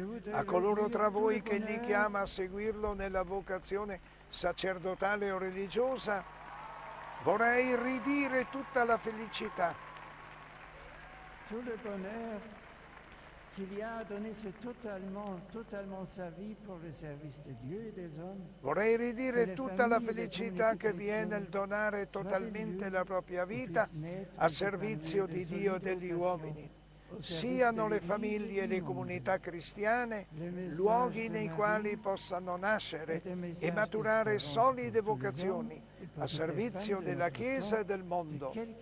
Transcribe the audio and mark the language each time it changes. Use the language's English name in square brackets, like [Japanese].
[Italian] A coloro tra voi che gli chiama a seguirlo nella vocazione sacerdotale o religiosa, vorrei ridire tutta la felicità. [French] Tout le bonheur qu'il y a donné totalement sa vie pour le service de Dieu et des hommes. [Italian] Vorrei ridire tutta la felicità che vi è nel donare totalmente la propria vita a servizio di Dio e degli uomini. Siano le famiglie e le comunità cristiane luoghi nei quali possano nascere e maturare solide vocazioni a servizio della Chiesa e del mondo.